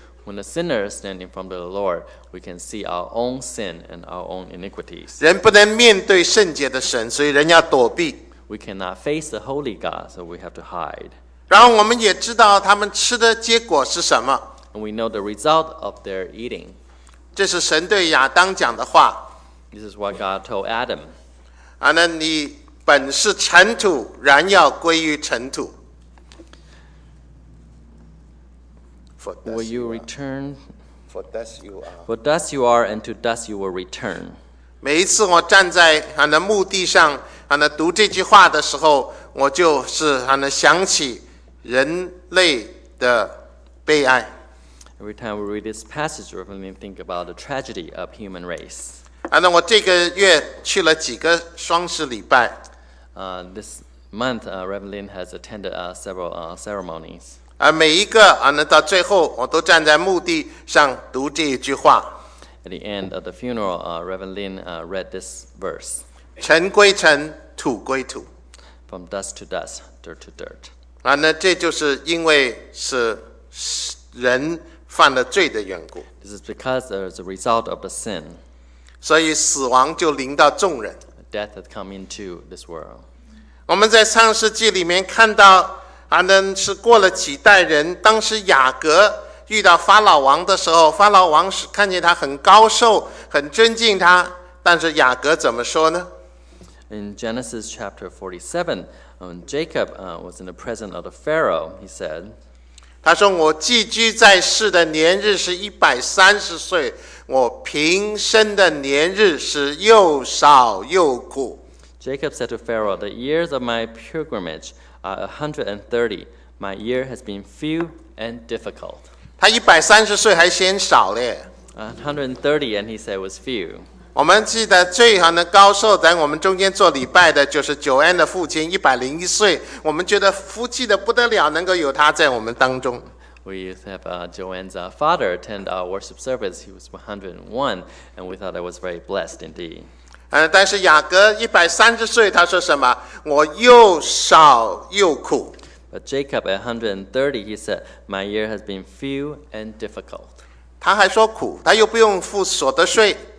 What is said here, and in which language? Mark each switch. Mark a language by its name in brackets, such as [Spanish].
[English] When a sinner is standing from the Lord, we can see our own sin and our own iniquities. [Chinese] 人不能面对圣洁的神，所以人要躲避。 [English] We cannot face the holy God, so we have to hide. [Chinese] 然后我们也知道他们吃的结果是什么。 [English] And we know the result of their eating. [Chinese] 这是神对亚当讲的话。 [English] This is what God told Adam. [Chinese] 啊，那你本是尘土，然要归于尘土。 [English] Will you return? For dust you are. For dust you are, and to dust you will return. [Chinese] 每一次我站在啊那墓地上。读这句话的时候，我就是想起人类的悲哀。 [English] Every time we read this passage, we often think about the tragedy of human race. [Chinese] 我这个月去了几个双十礼拜。 [English] This month, Reverend Lin has attended several ceremonies. [Chinese] 每一个到最后，我都站在墓地上读这一句话。 [English] At the end of the funeral, Reverend Lin read this verse. [Chinese] 尘归尘，土归土。 [English] From dust to dust, dirt to dirt. [Chinese] 啊，那这就是因为是人犯了罪的缘故。 [English] This is because there is a result of the sin. [Chinese] 所以死亡就临到众人。 [English] Death has come into this world. [Chinese] 我们在创世纪里面看到，那是过了几代人。当时雅各遇到法老王的时候，法老王是看见他很高瘦，很尊敬他。但是雅各怎么说呢 [English] ？In Genesis chapter 47, Jacob was in the presence of the Pharaoh. He said, [Chinese] 他说我寄居在世的年日是130岁，我平生的年日是又少又苦。 [English] Jacob said to Pharaoh, "The years of my pilgrimage are 130. My year has been few and difficult." [Chinese] 他130岁还嫌少嘞。 [English] 130, and he said it was few. [Chinese] 我们记得最好的高寿在我们中间做礼拜的就是Joanne的父亲101岁，我们觉得福气的不得了，能够有他在我们当中。 [English] We have Joanne's father attend our worship service. He was 101, and we thought that was very blessed indeed. [Chinese] 但是雅各130岁，他说什么？我又少又苦。 [English] But Jacob at 130, he said, "My year has been few and difficult." [Chinese] 他还说苦，他又不用付所得税。